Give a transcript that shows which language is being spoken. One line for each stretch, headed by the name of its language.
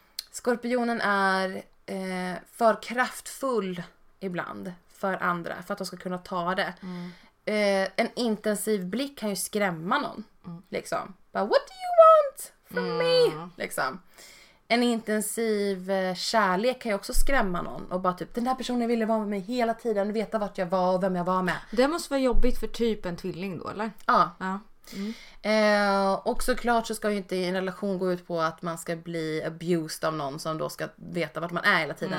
Swedish: Skorpionen är för kraftfull ibland för andra. För att de ska kunna ta det. Mm. En intensiv blick kan ju skrämma någon. Mm. Liksom.
English: But what do you want from me?
Swedish: Liksom. En intensiv kärlek kan ju också skrämma någon. Och bara typ, den här personen ville vara med mig hela tiden. Och veta vart jag var och vem jag var med. Det måste vara jobbigt för typ en tvilling då, eller? Ja. Ja. Mm. Och såklart så ska ju inte en relation gå ut på att man ska bli abused av någon som då ska veta vart man är hela tiden.